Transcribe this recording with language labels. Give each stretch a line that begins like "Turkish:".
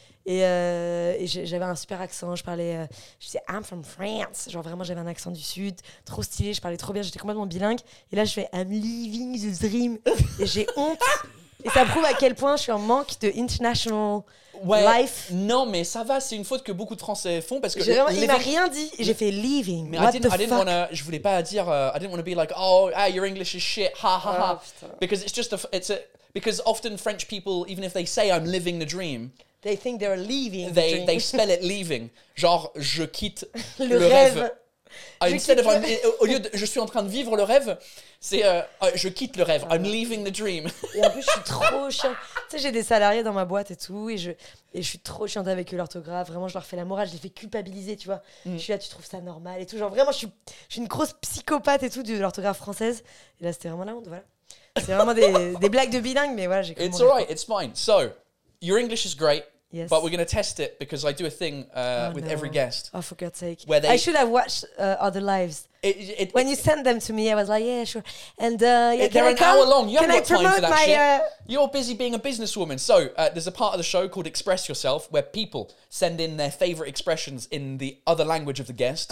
French: Et j'avais un super accent, je parlais, je disais
English: I'm from France,
French: genre vraiment j'avais un accent du sud, trop stylé, je parlais trop bien, j'étais complètement bilingue. Et là je fais
English: I'm living the dream,
French: et j'ai honte, et ça prouve à quel point je suis en manque de international, ouais, life. Non mais ça va, c'est une faute que beaucoup de Français font parce que il m'a rien dit, et j'ai fait living, mais what
English: the fuck.
French: Je voulais pas dire,
English: I didn't want to be like, oh, ah, your English is shit, ha ha ha, because it's just because often French people, even if they say I'm living the dream, they think they're leaving. They spell it leaving.
French: Genre, je quitte le rêve. Au lieu de je suis en train de vivre le rêve, c'est je quitte le rêve.
English: I'm leaving the dream.
French: Et en plus, je suis trop chiante. Tu sais, j'ai des salariés dans ma boîte et tout. Et je suis trop chiante avec eux, l'orthographe. Vraiment, je leur fais la morale. Je les fais culpabiliser, tu vois. Mm. Je suis là, tu trouves ça normal et tout. Genre, vraiment, je suis une grosse psychopathe et tout de l'orthographe française. Et là, c'était vraiment la honte. Voilà. C'est vraiment des blagues de bilingue, mais voilà, j'ai
English: compris. It's alright, it's fine. So, your English is great. Yes. But we're going to test it because I do a thing with every guest. Oh, for God's sake. Where I should have watched Other Lives. When you sent them to me, I was like, yeah, sure. And yeah, they're can an hour long. You haven't got time for that shit. You're busy being a businesswoman. So there's a part of the show called Express Yourself where people send in their favorite expressions in the other language of the guest.